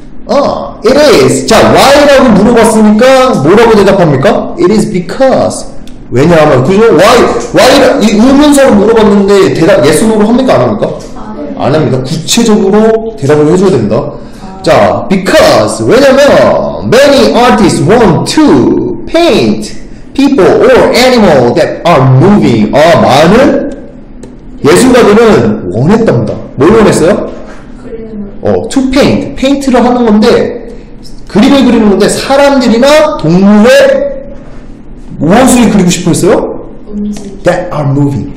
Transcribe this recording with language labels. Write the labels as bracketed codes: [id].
[en] It is. [ko] 자, why라고 물어봤으니까 뭐라고 대답합니까? [en] It is because. [ko] 왜냐하면, 그죠? [en] Why? [ko] 이 의문사로 물어봤는데 대답 [en] yes, no [ko] 로 합니까? 안 합니까? 안 합니까? 구체적으로 대답을 해줘야 됩니다. 자, because. 왜냐면, [en] many artists want to paint people or animal that are moving. [ko] 많은 예술가들은 원했답니다. 뭘 원했어요? [en] To paint. [ko] 페인트를 하는 건데, 그림을 그리는 건데, 사람들이나 동물의 무엇을 그리고 싶어 했어요? [en] That are moving.